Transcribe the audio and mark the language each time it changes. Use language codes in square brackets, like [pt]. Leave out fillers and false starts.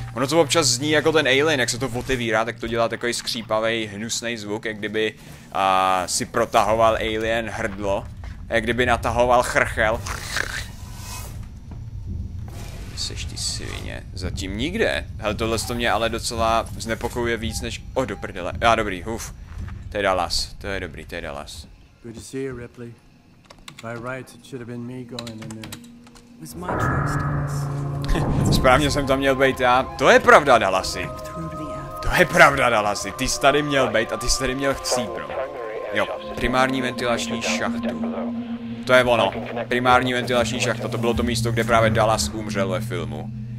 [cs] Ono to občas zní jako ten alien, jak se to otevírá, tak to dělá takový skřípavý, hnusný zvuk, jak kdyby si protahoval alien hrdlo. Jak kdyby natahoval chrchel. Seš ty svině. Zatím nikde. Hele, tohle to mě ale docela znepokojuje víc než... O, do prdele. Já dobrý, huf. To je Dallas, to je dobrý, to je Dallas. [en] Good to see you, Ripley. By rights, it should have been me going in there. It was my choice, Dallas. [cs] Správně jsem tam měl být já. To je pravda, Dallasy. To je pravda, Dallasy. Ty jsi tady měl být a ty jsi tady měl chcípnout. Jo, primární ventilační šachtu. To je ono. Primární ventilační šachta, to bylo to místo, kde právě Dallas umřel ve filmu.